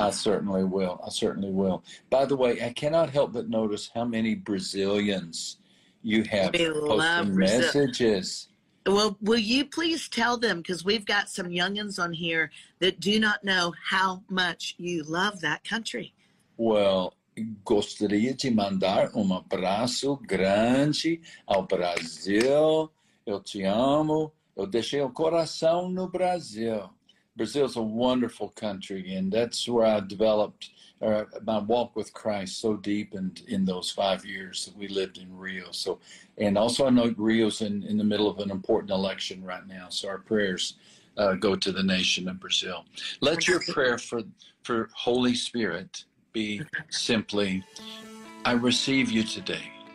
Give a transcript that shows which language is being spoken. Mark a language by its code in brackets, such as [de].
[en] I certainly will. By the way, I cannot help but notice how many Brazilians you have posting messages. Well, will you please tell them, because we've got some youngins on here that do not know how much you love that country. [pt] Well, gostaria de mandar abraço grande ao Brasil. Eu te amo. Eu deixei o coração no Brasil. [en] Brazil's a wonderful country, and that's where I developed my walk with Christ so deepened in those 5 years that we lived in Rio. So, and also I know Rio's in the middle of an important election right now. So our prayers go to the nation of Brazil. Let your prayer for Holy Spirit be simply, I receive you today.